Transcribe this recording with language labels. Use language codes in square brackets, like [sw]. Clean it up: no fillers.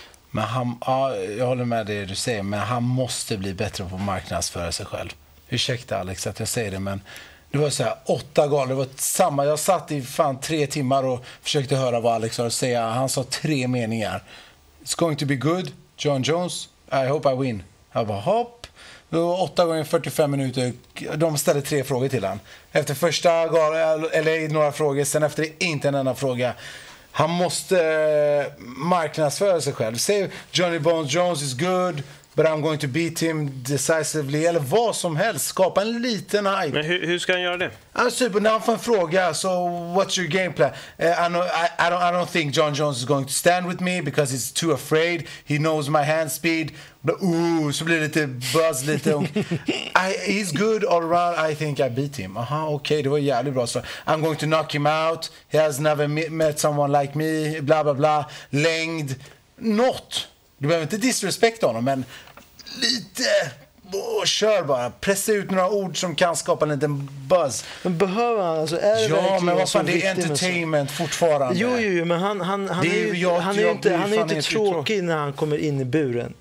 [sv] Men han, ja, jag håller med det du säger, men han måste bli bättre på att marknadsföra sig själv. Ursäkta Alex att jag säger det, men det var så här, 8 galor, det var samma. Jag satt i fan 3 timmar och försökte höra vad Alex har att säga. Han sa 3 meningar. [en] It's going to be good, John Jones, I hope I win. [sv] Jag bara, hopp. Det var 8 gånger 45 minuter. De ställde 3 frågor till han. Efter första galen, eller några frågor, sen efter det inte en enda fråga. Han måste marknadsföra sig själv. [en] Säg, Johnny Bones Jones is good, but I'm going to beat him decisively. [sv] Eller vad som helst. Skapa en liten hype. Men hur ska han göra det? Han är super. När han får en fråga, [en] so what's your game plan? I don't think John Jones is going to stand with me because he's too afraid. He knows my hand speed. Ooh, [sv] så blir det lite buzz lite. [en] He's good all around. I think I beat him. Aha, okej. [sv] Okay, det var jävligt bra. [en] So I'm going to knock him out. He has never met someone like me. [sv] Bla, bla, bla. Längd. Not. Du behöver inte disrespekta honom, men lite, oh, kör bara. Pressa ut några ord som kan skapa en liten buzz. Men behöver han? Alltså, är det, ja, men vad fan, det är entertainment fortfarande. Jo, men han är inte tråkig när han kommer in i buren.